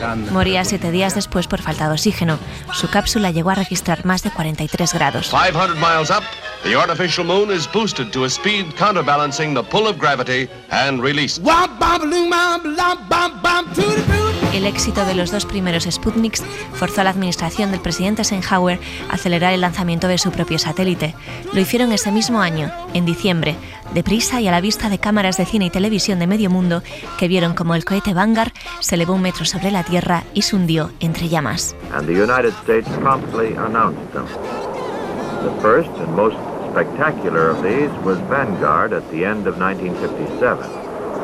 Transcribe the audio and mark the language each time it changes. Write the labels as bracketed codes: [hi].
[es] Moría 7 días después por falta de oxígeno. Su cápsula llegó a registrar más de 43 grados. [en] 500 miles up, the artificial moon is boosted to a speed counterbalancing the pull of gravity and release. [es] El éxito de los 2 primeros Sputniks forzó a la administración del presidente Eisenhower a acelerar el lanzamiento de su propio satélite. Lo hicieron ese mismo año, en diciembre, deprisa y a la vista de cámaras de cine y televisión de medio mundo que vieron cómo el cohete Vanguard se elevó 1 metro sobre la Tierra y se hundió entre llamas. [en] And the United States promptly announced them. The first and most spectacular of these was Vanguard at the end of 1957.